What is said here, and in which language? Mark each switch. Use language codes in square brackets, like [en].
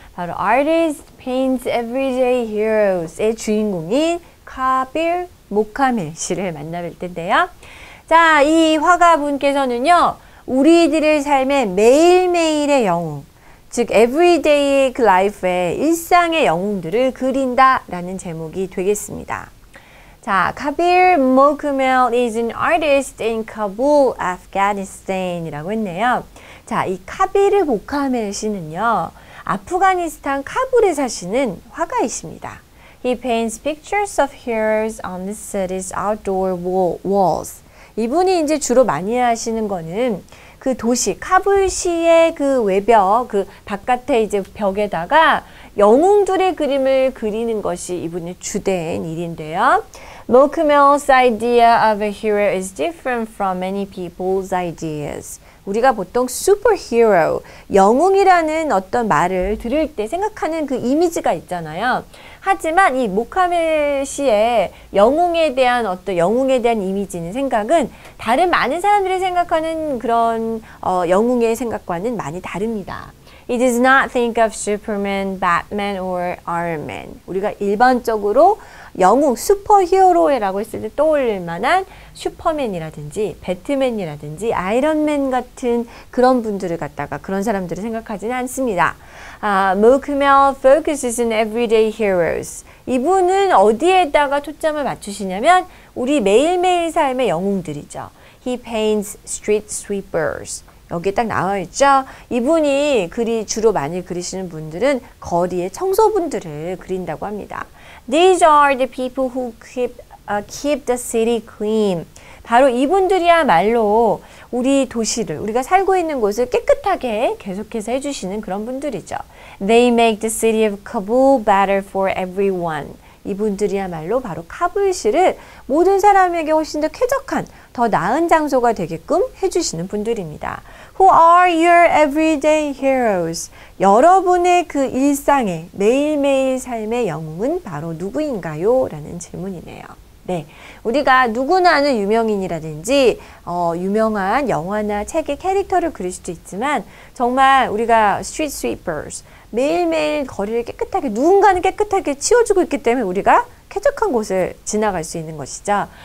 [ko] 바로 [en] artists, paints, everyday heroes [ko] 의 주인공인 카빌 모카멜 씨를 만나볼 텐데요. 자, 이 화가분께서는요, 우리들의 삶의 매일매일의 영웅, 즉 [en] everyday life [ko] 의 일상의 영웅들을 그린다라는 제목이 되겠습니다. 자, [en] Kabir Mokumel is an artist in Kabul, Afghanistan [ko] 이라고 했네요. 자, 이 Kabir Mokumel 씨는요, 아프가니스탄 카불에 사시는 화가이십니다. [en] He paints pictures of heroes on the city's outdoor walls. [ko] 이분이 이제 주로 많이 하시는 거는 그 도시, 카불시의 그 외벽, 그 바깥에 이제 벽에다가 영웅들의 그림을 그리는 것이 이분의 주된 일인데요. [en] Mokumel's idea of a hero is different from many people's ideas. [ko] 우리가 보통 superhero, 영웅이라는 어떤 말을 들을 때 생각하는 그 이미지가 있잖아요. 하지만 이 모카멜 씨의 영웅에 대한 어떤 영웅에 대한 이미지는 생각은 다른 많은 사람들이 생각하는 그런 영웅의 생각과는 많이 다릅니다. [en] He does not think of Superman, Batman, or Iron Man. [ko] 우리가 일반적으로 영웅, 슈퍼히어로라고 했을 때 떠올릴 만한 슈퍼맨이라든지 배트맨이라든지 아이언맨 같은 그런 분들을 갖다가 그런 사람들을 생각하지는 않습니다. [en] Mokumel focuses on everyday heroes. [ko] 이분은 어디에다가 초점을 맞추시냐면 우리 매일매일 삶의 영웅들이죠. [en] He paints street sweepers. [ko] 여기 딱 나와 있죠. 이분이 주로 많이 그리시는 분들은 거리의 청소분들을 그린다고 합니다. [en] These are the people who keep the city clean. [ko] 바로 이분들이야말로 우리 도시를, 우리가 살고 있는 곳을 깨끗하게 계속해서 해주시는 그런 분들이죠. [en] They make the city of Kabul better for everyone. [ko] 이분들이야말로 바로 카불시를 모든 사람에게 훨씬 더 쾌적한, 더 나은 장소가 되게끔 해주시는 분들입니다. [en] Who are your everyday heroes? [ko] 여러분의 그 일상의, 매일매일 삶의 영웅은 바로 누구인가요? 라는 질문이네요. 네, 우리가 누구나 아는 유명인이라든지 유명한 영화나 책의 캐릭터를 그릴 수도 있지만 정말 우리가 street sweepers, 매일매일 거리를 깨끗하게 누군가는 깨끗하게 치워주고 있기 때문에 우리가 쾌적한 곳을 지나갈 수 있는 것이죠.